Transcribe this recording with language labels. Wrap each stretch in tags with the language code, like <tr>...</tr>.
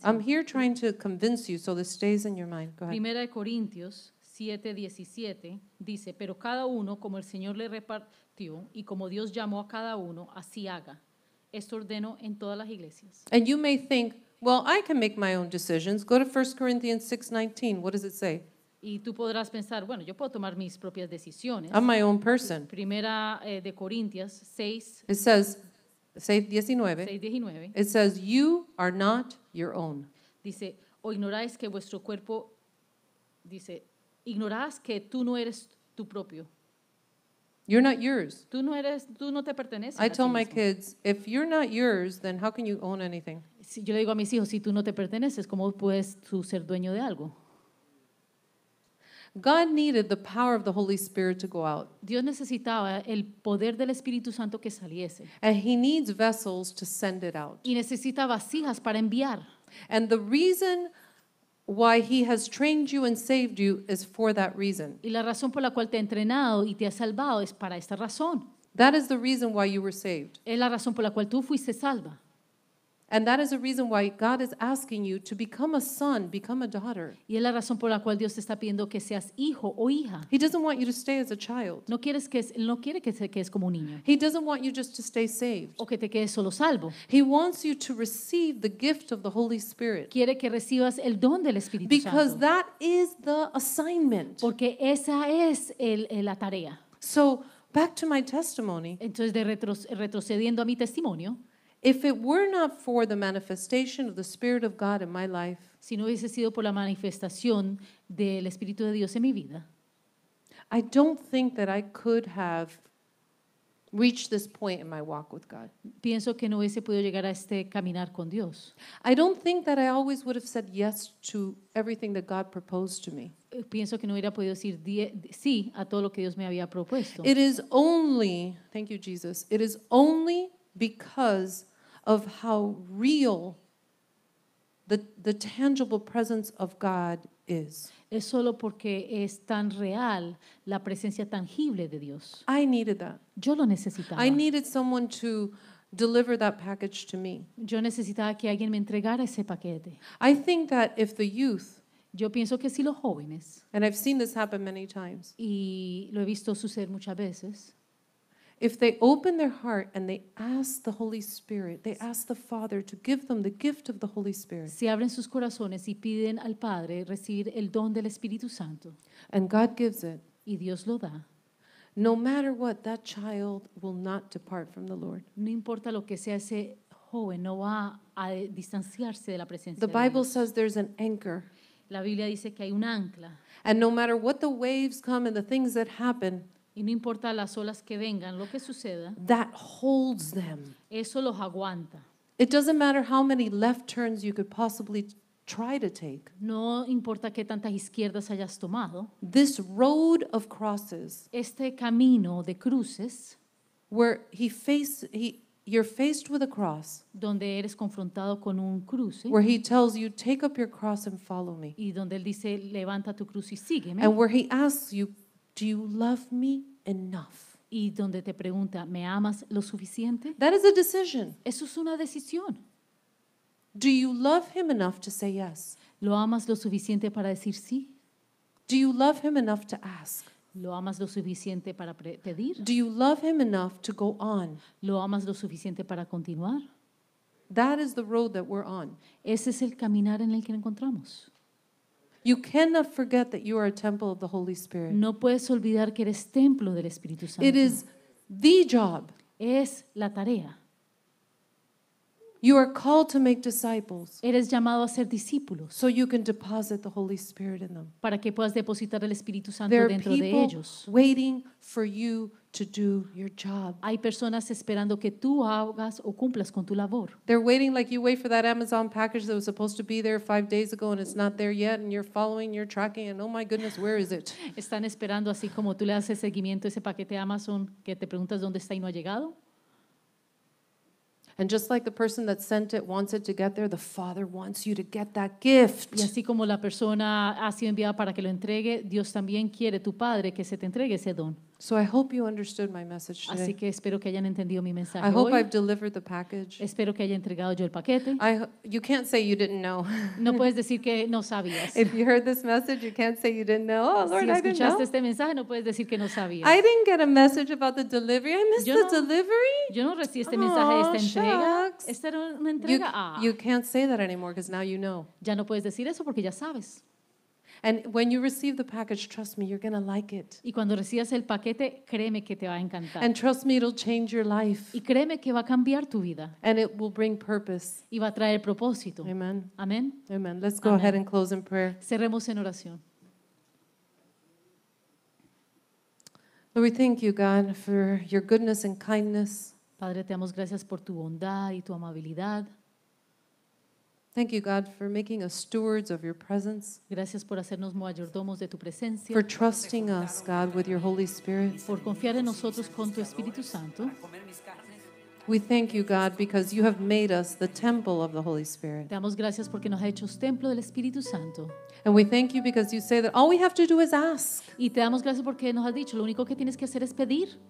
<en>I'm here trying to convince you, so this stays in your mind. Go ahead.</en> <es>Primera de Corintios 7:17 dice, pero cada uno como el Señor le repartió y como Dios llamó a cada uno, así haga. Esto ordeno en todas las iglesias.</es> <en>And you may think, well, I can make my own decisions. Go to 1 Corinthians 6:19. What does it say?</en> <es>Y tú podrás pensar, bueno, yo puedo tomar mis propias decisiones.</es> <en>I'm my own person.</en> <es>Primera de Corintios 6.</es> <en>It says, 6:19. It says, you are not your own.</en> <es>Dice, o ignoráis que vuestro cuerpo, dice, ignorás que tú no eres tu propio.</es> <en>You're not yours.</en> <es>Tú no eres, tú no te perteneces.</es> <en>I tell my kids, if you're not yours, then how can you own anything?</en> <es>Si yo le digo a mis hijos, si tú no te perteneces, ¿cómo puedes tú ser dueño de algo?</es> <en>God needed the power of the Holy Spirit to go out.</en> <es>Dios necesitaba el poder del Espíritu Santo que saliese.</es> <en>And he needs vessels to send it out.</en> <es>Y necesita vasijas para enviar.</es> <en>And the reason why he has trained you and saved you is for that reason.</en> <es>Y la razón por la cual te ha entrenado y te ha salvado es para esta razón.</es> <en>That is the reason why you were saved.</en> <es>Es la razón por la cual tú fuiste salva.</es> <en>And that is the reason why God is asking you to become a son, become a daughter.</en> <es>Y es la razón por la cual Dios te está pidiendo que seas hijo o hija.</es> <en>He doesn't want you to stay as a child.</en> <es>No quiere que seas como un niño.</es> <en>He doesn't want you just to stay saved.</en> <es>O que te quedes solo salvo.</es> <en>He wants you to receive the gift of the Holy Spirit.</en> <es>Quiere que recibas el don del Espíritu Santo.</es> <en>Because that is the assignment.</en> <es>Porque esa es la tarea.</es> <en>So, back to my testimony.</en> <es>Entonces, retrocediendo a mi testimonio.</es> <en>If it were not for the manifestation of the Spirit of God in my life,</en> <es>si no hubiese sido por la manifestación del Espíritu de Dios en mi vida,</es> <en>I don't think that I could have reached this point in my walk with God.</en> <es>Pienso que no hubiese podido llegar a este caminar con Dios.</es> <en>I don't think that I always would have said yes to everything that God proposed to me.</en> <es>Pienso que no hubiera podido decir sí a todo lo que Dios me había propuesto.</es> <en>It is only, thank you, Jesus, it is only because of how real the tangible presence of God is.</en> <es>Es solo porque es tan real la presencia tangible de Dios.</es> <en>I needed that.</en> <es>Yo lo necesitaba.</es> <en>I needed someone to deliver that package to me.</en> <es>Yo necesitaba que alguien me entregara ese paquete.</es> <en>I think that if the youth,</en> <es>yo pienso que si los jóvenes,</es> <en>and I've seen this happen many times,</en> <es>y lo he visto suceder muchas veces,</es> <en>if they open their heart and they ask the Holy Spirit, they ask the Father to give them the gift of the Holy Spirit.</en> <es>Si abren sus corazones y piden al Padre recibir el don del Espíritu Santo.</es> <en>And God gives it.</en> <es>Y Dios lo da.</es> <en>No matter what, that child will not depart from the Lord.</en> <es>No importa lo que sea, ese joven no va a distanciarse de la presencia de Dios.</es> <en>The Bible says there's an anchor.</en> <es>La Biblia dice que hay un ancla.</es> <en>And no matter what the waves come and the things that happen,</en> <es>y no importa las olas que vengan, lo que suceda,</es> <en>that holds them.</en> <es>Eso los aguanta.</es> <en>It doesn't matter how many left turns you could possibly try to take.</en> <es>No importa qué tantas izquierdas hayas tomado.</es> <en>This road of crosses.</en> <es>Este camino de cruces.</es> <en>Where you're faced with a cross.</en> <es>Donde eres confrontado con un cruce.</es> <en>Where he tells you, take up your cross and follow me.</en> <es>Y donde él dice, levanta tu cruz y sígueme.</es> <en>And where he asks you, do you love me enough?</en> <es>Y donde te pregunta, ¿me amas lo suficiente?</es> <en>That is a decision.</en> <es>Eso es una decisión.</es> <en>Do you love him enough to say yes?</en> <es>¿Lo amas lo suficiente para decir sí?</es> <en>Do you love him enough to ask?</en> <es>¿Lo amas lo suficiente para pedir?</es> <en>Do you love him enough to go on?</en> <es>¿Lo amas lo suficiente para continuar?</es> <en>That is the road that we're on.</en> <es>Ese es el caminar en el que encontramos.</es> <en>You cannot forget that you are a temple of the Holy Spirit.</en> <es>No puedes olvidar que eres templo del Espíritu Santo.</es> <en>It is the job.</en> <es>Es la tarea.</es> <en>You are called to make disciples.</en> <es>Eres llamado a ser discípulos.</es> <en>So you can deposit the Holy Spirit in them.</en> <es>Para que puedas depositar el Espíritu Santo</es> <en>there</en> <es>dentro</es> <en>people</en> <es>de ellos.</es> <en>Waiting for you to do your job.</en> <es>Hay personas esperando que tú hagas o cumplas con tu labor.</es> <en>They're waiting like you wait for that Amazon package that was supposed to be there 5 days ago and it's not there yet and you're following, you're tracking and oh my goodness, where is it?</en> <es>Están esperando así como tú le haces seguimiento a ese paquete de Amazon que te preguntas dónde está y no ha llegado.</es> <en>And just like the person that sent it wants it to get there, the Father wants you to get that gift.</en> <es>Y así como la persona ha sido enviada para que lo entregue, Dios también quiere tu Padre que se te entregue ese don.</es> <en>So I hope you understood my message today.</en> <es>Así que espero que hayan entendido mi mensaje hoy.</es> <en>I hope I've delivered the package.</en> <es>Espero que haya entregado yo el paquete.</es> <en>You can't say you didn't know.</en> <es>No puedes decir que no sabías.</es> <en>If you heard this message, you can't say you didn't know. Oh, Lord, I didn't know.</en> <es>Si escuchaste este mensaje, no puedes decir que no sabías.</es> <en>I didn't get a message about the delivery. I missed the delivery.</en> <es>Yo no recibí este mensaje de esta entrega.</es> <en>Shucks.</en> <es>Esta era una entrega.</es> <en>You can't say that anymore because now you know.</en> <es>Ya no puedes decir eso porque ya sabes.</es> <en>And when you receive the package, trust me, you're going to like it.</en> <es>Y cuando recibas el paquete, créeme que te va a encantar.</es> <en>And trust me, it'll change your life.</en> <es>Y créeme que va a cambiar tu vida.</es> <en>And it will bring purpose.</en> <es>Y va a traer propósito.</es> <en>Amen.</en> <es>Amen.</es> <en>Amen. Let's go Amen. Ahead and close in prayer.</en> <es>Cerremos en oración.</es> <en>Lord, we thank you, God, for your goodness and kindness.</en> <es>Padre, te damos gracias por tu bondad y tu amabilidad.</es> <en>Thank you, God, for making us stewards of your presence.</en> <es>Gracias por hacernos mayordomos de tu presencia.</es> <en>For trusting us, God, with your Holy Spirit.</en> <es>Por confiar en nosotros con tu Espíritu Santo.</es> <en>We thank you, God, because you have made us the temple of the Holy Spirit.</en> <es>Te damos gracias porque nos ha hecho templo del Espíritu Santo.</es> <en>And we thank you because you say that all we have to do is ask.</en> <es>Y te damos gracias porque nos has dicho lo único que tienes que hacer es pedir.</es>